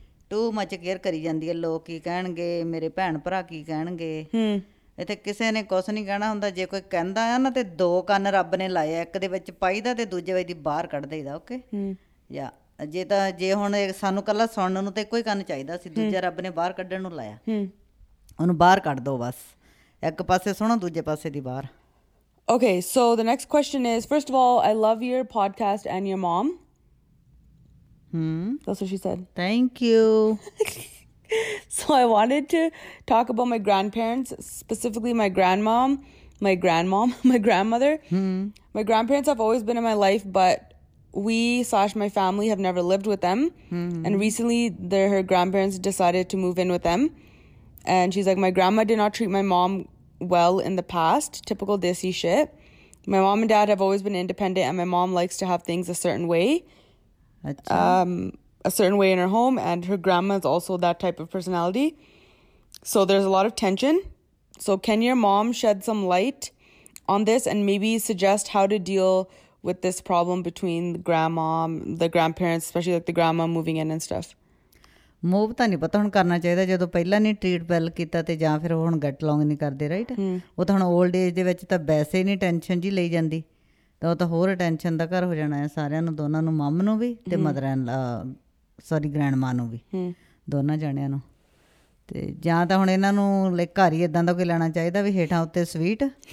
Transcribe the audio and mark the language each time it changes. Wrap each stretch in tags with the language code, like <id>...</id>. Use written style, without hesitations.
<en>too much care</en> <pa>ਕਰੀ ਜਾਂਦੀ ਹੈ ਲੋਕ ਕੀ ਕਹਿਣਗੇ ਮੇਰੇ ਭੈਣ ਭਰਾ ਕੀ ਕਹਿਣਗੇ ਇੱਥੇ ਕਿਸੇ ਨੇ ਕੁਛ ਨਹੀਂ ਕਹਿਣਾ ਹੁੰਦਾ ਜੇ ਕੋਈ ਕਹਿੰਦਾ ਆ ਨਾ ਤਾਂ ਦੋ ਕੰਨ ਰੱਬ ਨੇ ਲਾਇਆ ਇੱਕ ਦੇ ਵਿੱਚ ਪਾਈਦਾ ਅਤੇ ਦੂਜੇ ਵਜੇ ਦੀ ਬਾਹਰ ਕੱਢ ਦੇਈਦਾ ਓਕੇ ਜਾਂ ਜੇ ਤਾਂ ਜੇ ਹੁਣ ਸਾਨੂੰ ਇਕੱਲਾ ਸੁਣਨ ਨੂੰ ਤਾਂ ਇੱਕੋ ਹੀ ਕੰਨ ਚਾਹੀਦਾ ਸੀ ਦੂਜਾ ਰੱਬ ਨੇ ਬਾਹਰ ਕੱਢਣ ਨੂੰ ਲਾਇਆ ਉਹਨੂੰ ਬਾਹਰ ਕੱਢ ਦਿਉ ਬਸ ਇੱਕ ਪਾਸੇ ਸੁਣੋ ਦੂਜੇ ਪਾਸੇ ਦੀ ਬਾਹਰ</pa> <en>Okay, so the next question is, first of all, I love your podcast and your mom. That's what she said. Thank you. So I wanted to talk about my grandparents, specifically my grandmom, my grandmother. My grandparents have always been in my life, but we / my family have never lived with them. And recently, her grandparents decided to move in with them. And she's like, my grandma did not treat my mom well in the past, typical Desi shit. My mom and dad have always been independent and my mom likes to have things a certain way. A certain way in her home, and her grandma is also that type of personality. So there's a lot of tension. So can your mom shed some light on this and maybe suggest how to deal with this problem between the grandparents, especially like the grandma moving in and stuff?</en> <pa>Move ਤਾਂ ਨਹੀਂ ਪਤਾ ਹੁਣ ਕਰਨਾ ਚਾਹੀਦਾ ਜਦੋਂ ਪਹਿਲਾਂ ਨਹੀਂ</pa> <en>treat well</en> <pa>ਕੀਤਾ ਅਤੇ ਜਾਂ ਫਿਰ ਹੁਣ</pa> <en>get long</en> <pa>ਨਹੀਂ ਕਰਦੇ ਰਾਈਟ ਉਹ ਤਾਂ ਹੁਣ ਓਲਡ ਏਜ ਦੇ ਵਿੱਚ ਤਾਂ ਵੈਸੇ ਨਹੀਂ ਟੈਨਸ਼ਨ ਜੀ ਲਈ ਜਾਂਦੀ ਤਾਂ ਉਹ ਤਾਂ ਹੋਰ ਟੈਨਸ਼ਨ ਦਾ ਘਰ ਹੋ ਜਾਣਾ ਹੈ ਸਾਰਿਆਂ ਨੂੰ ਦੋਨਾਂ ਨੂੰ ਮੰਮ ਨੂੰ ਵੀ ਅਤੇ</pa> <en>mother and sorry</en> <pa>ਗ੍ਰੈਂਡ ਮਾਂ ਨੂੰ ਵੀ ਦੋਨਾਂ ਜਾਣਿਆਂ ਨੂੰ ਅਤੇ ਜਾਂ ਤਾਂ ਹੁਣ ਇਹਨਾਂ ਨੂੰ ਲਾਈਕ ਘਰ ਹੀ ਇੱਦਾਂ ਦਾ ਕੋਈ ਲੈਣਾ ਚਾਹੀਦਾ ਵੀ ਹੇਠਾਂ ਉੱਤੇ ਸਵੀਟ</pa>